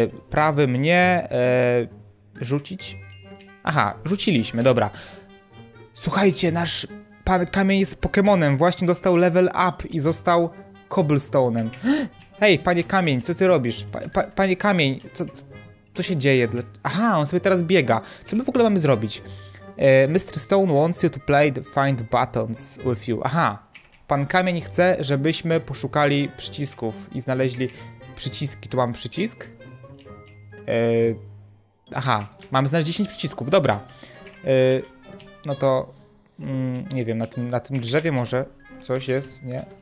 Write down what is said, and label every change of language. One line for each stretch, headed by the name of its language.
Polish: Prawy mnie rzucić? Aha, rzuciliśmy, dobra. Słuchajcie, nasz pan kamień jest Pokemonem. Właśnie dostał level up i został cobblestone'em. Hej, panie kamień, co ty robisz? Panie kamień, co się dzieje? Aha, on sobie teraz biega. Co my w ogóle mamy zrobić?
English: Mr. Stone wants you to play the find buttons with you.
Polish: Aha, pan kamień chce, żebyśmy poszukali przycisków i znaleźli przyciski. Tu mam przycisk. Aha, mamy znaleźć 10 przycisków, dobra. No to, nie wiem, na tym drzewie może coś jest, nie?